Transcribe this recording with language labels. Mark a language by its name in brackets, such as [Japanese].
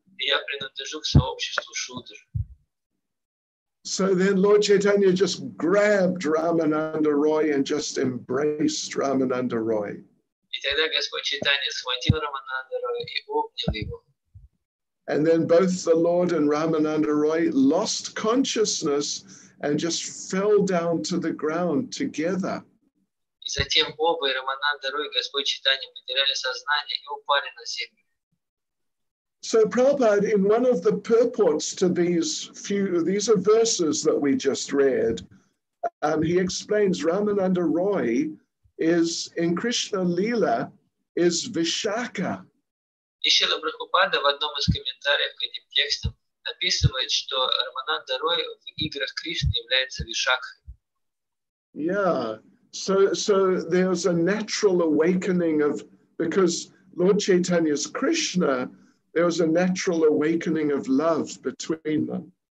[Russian] И я принадлежу к сообществу Шудр. [English] So then Lord Chaitanya just grabbed Рамананда Рой and just embraced Рамананда Рой. [Russian] И тогда Господь Чайтанья схватил Рамананда Рой и обнял его. [English] And then both the Lord and Ramananda Roy lost consciousness and just fell down to the ground together. [Russian] И затем оба, и Рамананда Рой, и Господь Чайтанья потеряли сознание и упали на землю. [English] So Prabhupada, in one of the purports to these are verses that we just read, he explains Ramananda Roy is in Krishna Lila is Vishakha. [Russian] И Шрила Прабхупада в одном из комментариев к этим текстам описывает, что Рамананда Рой в играх Кришны является Вишакхой. [English] Yeah. So there's a natural awakening of, because Lord Chaitanya is Krishna, there was a natural awakening of love between them.